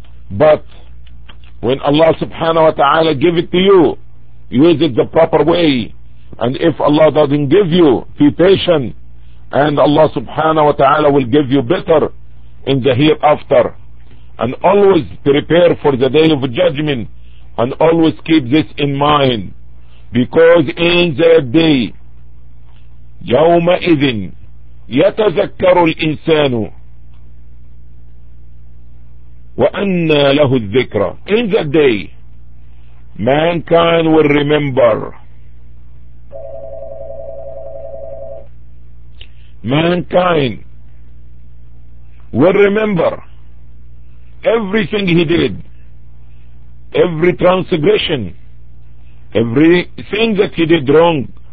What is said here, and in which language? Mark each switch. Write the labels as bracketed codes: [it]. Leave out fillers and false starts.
[en] But when Allah subhanahu wa ta'ala give it to you, use it the proper way. And if Allah doesn't give you, be patient, and Allah subhanahu wa ta'ala will give you better in the hereafter. And always prepare for the day of judgment, and always keep this in mind. Because in that day, [ar] يَوْمَئِذٍ يَتَذَكَّرُ الْإِنسَانُ وَأَنَّا لَهُ الذِّكْرَ. [en] In that day, mankind will remember. Mankind will remember everything he did, every transgression, everything that he did wrong.